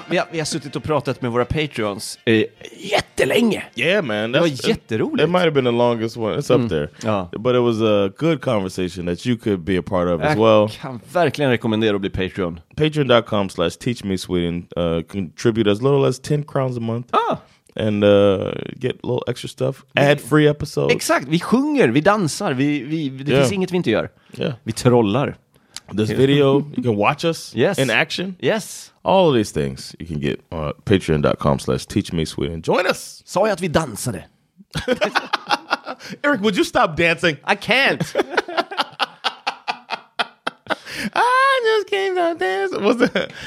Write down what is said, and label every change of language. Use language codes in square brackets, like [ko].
[sv] Vi har suttit och pratat med våra Patreons jättelänge. [en] Yeah man, [sv] det var jätteroligt. [en] It might have been the longest one. It's up there. Ja. But it was a good conversation that you could be a part of as well. [sv] Jag kan verkligen rekommendera att bli Patreon. [en] Patreon.com/teachmesweden. Contribute as little as 10 crowns a month. Ah. And get a little extra stuff. Ad free episodes. [sv] Exakt. Vi sjunger, vi dansar, det finns inget vi inte gör. [en] Yeah. [sv] Vi trollar. [en] This video, you can watch us yes. in action. Yes. All of these things you can get on patreon.com/teachmesweden. Join us. [sv] Sa jag att vi dansade? [en] Eric, would you stop dancing? I can't. I just came out dancing. What's that?